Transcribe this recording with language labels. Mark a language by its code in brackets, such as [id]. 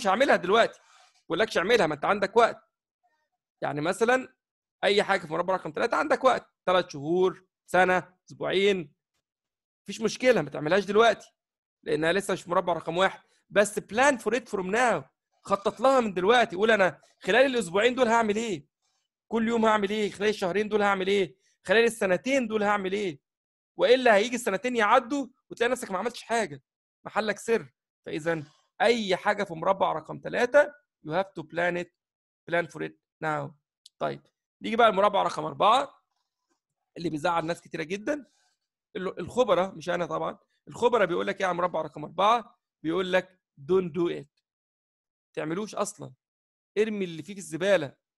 [ar] مش هعملها دلوقتي، بقولكش اعملها، ما انت عندك وقت. يعني مثلا اي حاجه في مربع رقم 3 عندك وقت، 3 شهور، سنه، اسبوعين، مفيش مشكله، ما تعملهاش دلوقتي لانها لسه مش مربع رقم 1. بس [en] plan for it from now, [ar] خطط لها من دلوقتي. قول انا خلال الاسبوعين دول هعمل ايه، كل يوم هعمل ايه، خلال الشهرين دول هعمل ايه، خلال السنتين دول هعمل ايه. والا هيجي السنتين يعدوا وتلاقي نفسك ما عملتش حاجه، محلك سر. فاذا اي حاجه في مربع رقم 3 [en] you have to plan it, plan for it now. [ar] طيب نيجي بقى المربع رقم 4 اللي بيزعل ناس كتيره جدا، الخبراء مش انا طبعا، الخبراء بيقول لك ايه على المربع رقم 4؟ بيقول لك [en] don't do it، [ar] تعملوش اصلا، ارمي اللي فيه في الزباله.